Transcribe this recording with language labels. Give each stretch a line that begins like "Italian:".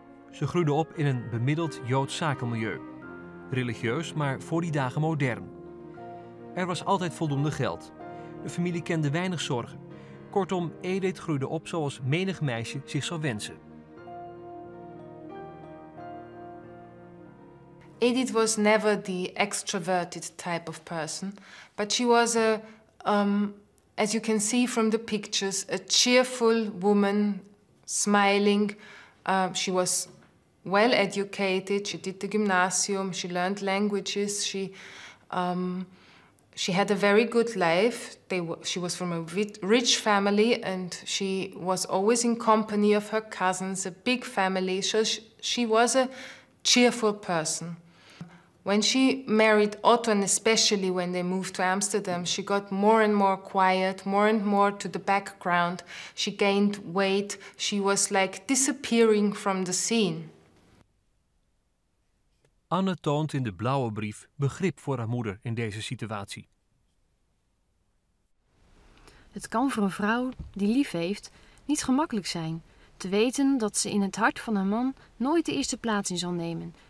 Dutch: Ze groeide op in een bemiddeld Joods zakenmilieu. Religieus, maar voor die dagen modern. Er was altijd voldoende geld. De familie kende weinig zorgen. Kortom, Edith groeide op zoals menig meisje zich zou wensen.
English: Edith was never the extroverted type of person. But she was a, as you can see from the pictures, a cheerful woman, smiling. She was well educated, she did the gymnasium, she learned languages, she had a very good life. She was from a rich family and she was always in company of her cousins, a big family, so she was a cheerful person. When she married Otto, and especially when they moved to Amsterdam, she got more and more quiet, more and more to the background. She gained weight, she was like disappearing from the scene.
Dutch: Anne toont in de blauwe brief begrip voor haar moeder in deze situatie. Het kan voor een vrouw die lief heeft niet gemakkelijk zijn te weten dat ze in het hart van haar man nooit de eerste plaats in zal nemen.